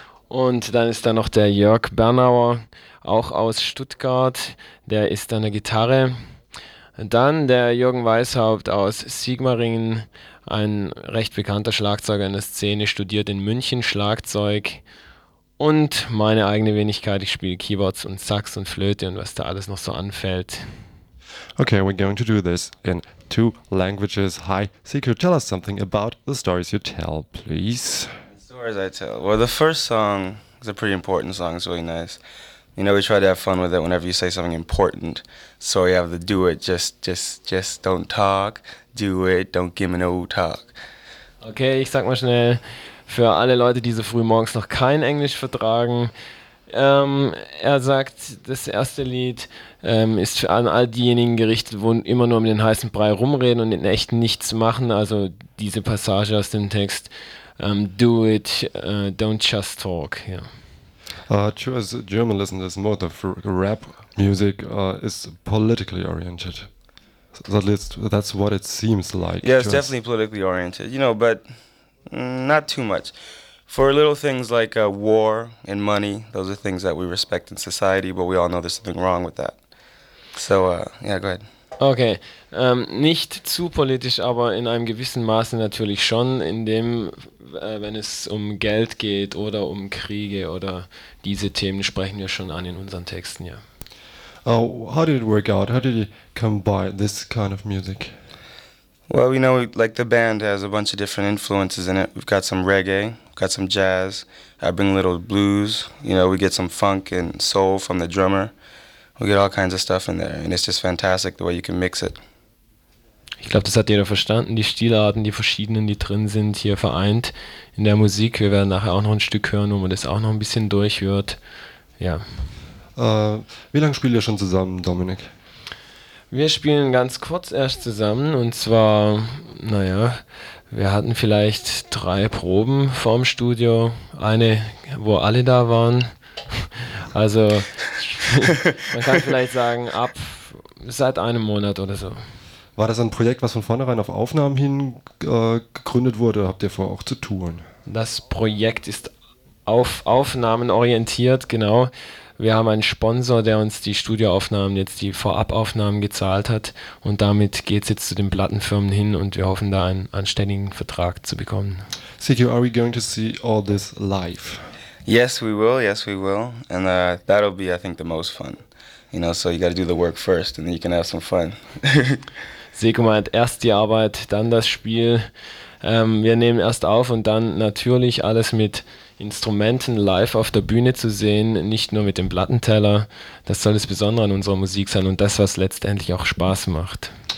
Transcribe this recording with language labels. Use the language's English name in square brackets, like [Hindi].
[German] Und dann ist da noch der Jörg Bernauer, auch aus Stuttgart, der ist an der Gitarre. Dann der Jürgen Weishaupt aus Sigmaringen, ein recht bekannter Schlagzeuger in der Szene, studiert in München Schlagzeug. Und meine eigene Wenigkeit, ich spiele Keyboards und Sax und Flöte und was da alles noch so anfällt. [English] Okay, we're going to do this in two languages. Hi, Seku, tell us something about the stories you tell, please. The stories I tell. Well, the first song is a pretty important song, it's really nice. You know, we try to have fun with it whenever you say something important. So we have the do it, just don't talk. Do it, don't give me no talk. [German] Okay, ich sag mal schnell, für alle Leute, die so früh morgens noch kein Englisch vertragen. Er sagt, das erste Lied ist für all diejenigen gerichtet, wo immer nur um den heißen Brei rumreden und in echt nichts machen. Also diese Passage aus dem Text, [English] do it, don't just talk. Yeah. True, as a German listener, it's more the rap music is politically oriented. So at least that's what it seems like. Yeah, it's definitely politically oriented, you know, but not too much. For little things like war and money, those are things that we respect in society, but we all know there's something wrong with that. So, yeah, go ahead. [German] Okay, nicht zu politisch, aber in einem gewissen Maße natürlich schon, in dem, wenn es um Geld geht oder um Kriege oder diese Themen sprechen wir schon an in unseren Texten, ja. [English] Oh, how did it work out? How did you combine this kind of music? Well, you know, like the band has a bunch of different influences in it. We've got some reggae, we've got some jazz. I bring a little blues. You know, we get some funk and soul from the drummer. We get all kinds of stuff in there, and it's just fantastic the way you can mix it. [German] Ich glaube, das hat jeder verstanden. Die Stilarten, die verschiedenen, die drin sind, hier vereint in der Musik. Wir werden nachher auch noch ein Stück hören, wo man das auch noch ein bisschen durchhört. Ja. Wie lange spielt ihr schon zusammen, Dominik? Wir spielen ganz kurz erst zusammen und zwar, naja, wir hatten vielleicht 3 Proben vorm Studio, eine, wo alle da waren, also man kann vielleicht sagen, ab seit einem Monat oder so. War das ein Projekt, was von vornherein auf Aufnahmen hin gegründet wurde, oder habt ihr vor, auch zu touren? Das Projekt ist auf Aufnahmen orientiert, genau. Wir haben einen Sponsor, der uns die Studioaufnahmen, jetzt die Vorabaufnahmen gezahlt hat und damit geht es jetzt zu den Plattenfirmen hin und wir hoffen, da einen anständigen Vertrag zu bekommen. [English] CQ, are we going to see all this live? Yes, we will, and that'll be, I think, the most fun. You know, so you gotta do the work first and then you can have some fun. [German] Seko meint, erst die Arbeit, dann das Spiel. Wir nehmen erst auf und dann natürlich alles mit Instrumenten live auf der Bühne zu sehen, nicht nur mit dem Plattenteller. Das soll das Besondere an unserer Musik sein und das, was letztendlich auch Spaß macht.